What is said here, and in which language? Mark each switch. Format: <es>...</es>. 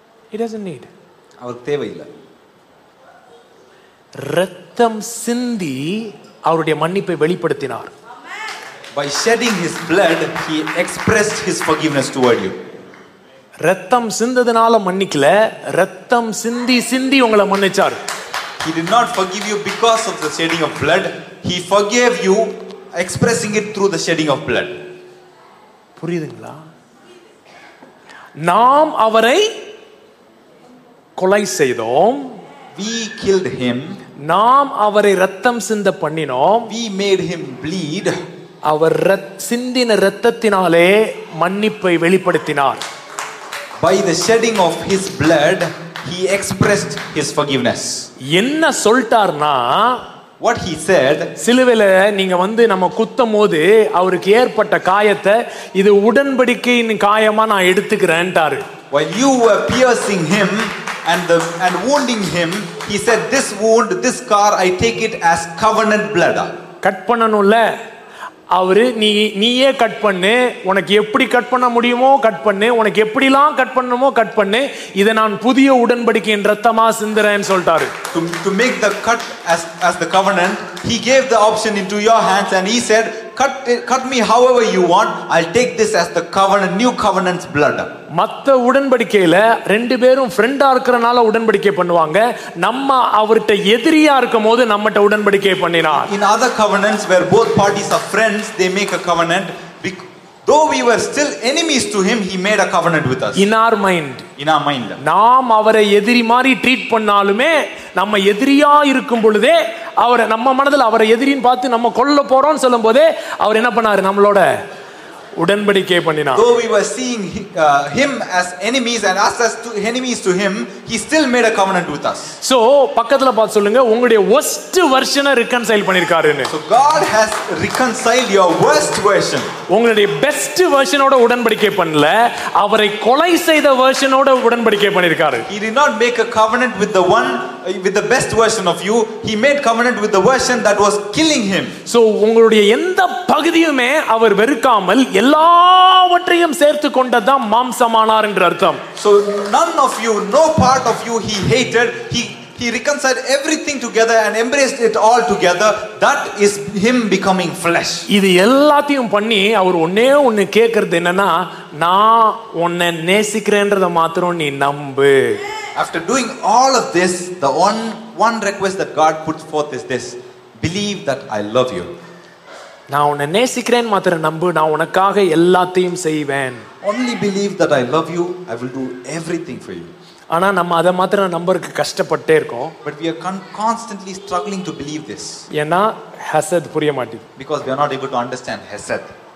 <en>He doesn't need.</en> <ta>அவர் தேவை இல்ல. ரத்தம் சிந்தி அவருடைய மன்னிப்பை வெளிப்படுத்தினார்.</ta> <en>By shedding his blood, he expressed his forgiveness toward you.</en> <ta>ரத்தம் சிந்ததனால மன்னிக்கல, ரத்தம் சிந்தி சிந்தி உங்களை மன்னிச்சார்.</ta> <en>He did not forgive you because of the shedding of blood. He forgave you expressing it through the shedding of blood.</en> <ta>புரியுதுங்களா? நாம் அவரை கொலை செய்தோம்,</ta> <en>we killed him,</en> <ta>நாம் அவரை ரத்தம் சிந்த பண்ணினோம்,</ta> <en>we made him bleed,</en> <ta>அவர் சிந்தின இரத்தத்தினாலே மன்னிப்பை வெளிப்படுத்தினார்.</ta> <en>By the shedding of his blood, he expressed his forgiveness.</en> <ta>என்ன சொல்றார்னா,</ta> <en>what he said,</en> <ta>சிலுவையில நீங்க வந்து நம்ம குத்தும்போது அவருக்கு ஏற்பட்ட காயத்தை இது உடன்படிக்கையின் காயமா நான் எடுத்துக்கிறேன்ட்டாரு.</ta> <en>While you were piercing him and wounding him, he said, this wound, this scar, I take it as covenant blood.</en> <ta>Cut பண்ணனும்ல அவரு, நீயே கட் பண்ணு, உனக்கு எப்படி கட் பண்ண முடியுமோ கட் பண்ணு, உனக்கு எப்படிலாம் கட் பண்ணுமோ கட் பண்ணு, இதை நான் புதிய உடன்படிக்கையின் ரத்தமா சிந்துறேன்னு சொல்லிட்டாரு.</ta> <en>To make the cut as the covenant, he gave the option into your hands and he said, cut me however you want, I'll take this as the covenant, new covenant's blood.</en> <ta>மத்த உடன்படிக்கையில ரெண்டு பேரும் ஃப்ரெண்டா இருக்கறனால உடன்படிக்கை பண்ணுவாங்க, நம்ம அவர்ட்ட எதிரியா இருக்கும்போது நம்மட்ட உடன்படிக்கை பண்ணினார்.</ta> <en>In other covenants where both parties are friends, they make a covenant. Though we were still enemies to him, he made a covenant with us. In our mind.</en> <ta>நாம் அவரை எதிரி மாதிரி ட்ரீட் பண்ணாலுமே, நம்ம எதிரியா இருக்கும் பொழுதே, அவரை நம்ம மனதில் அவரை எதிரின்னு பார்த்து நம்ம கொல்ல போறோம் சொல்லும் போதே, அவர் என்ன பண்ணாரு, நம்மளோட உடன்படிக்கை பண்ணினார்.</ta> <en>Though we were seeing him as enemies and us as enemies to him, he still made a covenant with us.</en> <ta>So பக்கத்துல பாத்து சொல்லுங்க, உங்களுடைய</ta> <en>worst version reconcile</en> <ta>பண்ணிருக்காருன்னு.</ta> <en>So God has reconciled your worst version.</en> <ta>உங்களுடைய</ta> <en>best version</en> <ta>ஓட உடன்படிக்கை பண்ணல, அவரை கொலை செய்த version ஓட உடன்படிக்கை பண்ணிருக்காரு.</ta> <en>He did not make a covenant with the one with the best version of you, he made covenant with the version that was killing him.</en> <ta>So உங்களுடைய எந்த பகுதியுமே அவர் வெறுக்காமல் எல்லாவற்றையும் சேர்த்து கொண்டதுதான் மாம்சமானார் என்று அர்த்தம்.</ta> <en>So none of you, no part of you he hated, he reconciled everything together and embraced it all together. That is him becoming flesh.</en> <ta>இது எல்லாத்தையும் பண்ணி அவர் ஒண்ணே ஒண்ணு கேக்குறது என்னன்னா, நான் உன்னை நேசிக்கிறேன்றத மாத்திரம் நீ நம்பு.</ta> <en>After doing all of this, the one request that God puts forth is this: believe that I love you.</en> <ta>நான் உன்னை நேசிக்கிறேன் மாத்திரம் நம்பு, நான் உனக்காக எல்லாத்தையும் செய்வேன்.</ta> <en>Only believe that I love you, I will do everything for you.</en> <ta>ஆனா நம்ம அதை மாத்திரம் நம்பருக்கு கஷ்டப்பட்டே இருக்கோம்.</ta> <en>But we are constantly struggling to believe this. ஏன்னா ஹசத் புரிய மாட்டேது. Because we are not able to understand ஹசத்.</en>